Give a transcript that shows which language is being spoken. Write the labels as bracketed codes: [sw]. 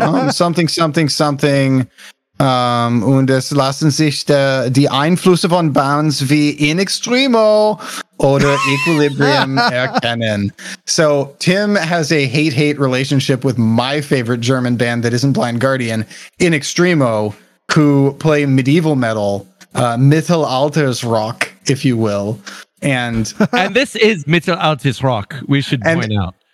[en] Something, something, something. [de] Und es lassen sich die Einflüsse von Bands wie In Extremo oder Equilibrium erkennen. [en] So Tim has a hate relationship with my favorite German band that isn't Blind Guardian, In Extremo, who play medieval metal, Mittelaltersrock, if you will. And and this is Mittelaltersrock, we should point out.